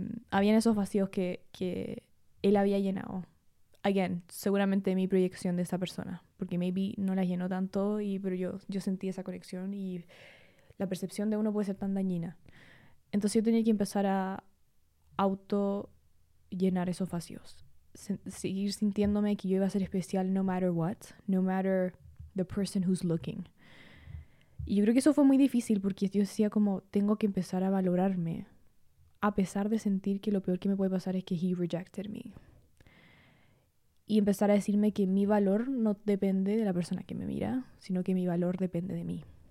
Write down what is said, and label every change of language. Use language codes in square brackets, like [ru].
[es] Habían esos vacíos que él había llenado. Again, seguramente mi proyección de esa persona. Porque maybe no la llenó tanto, pero yo sentí esa conexión. Y la percepción de uno puede ser tan dañina. Entonces yo tenía que empezar a auto llenar esos vacíos. Seguir sintiéndome que yo iba a ser especial [en] no matter what. No matter the person who's looking. [es] Y yo creo que eso fue muy difícil porque yo decía como, tengo que empezar a valorarme. A pesar de sentir que lo peor que me puede pasar es que [en] he rejected me. [es] Y empezar a decirme que mi valor no depende de la persona que me mira, sino que mi valor depende de mí.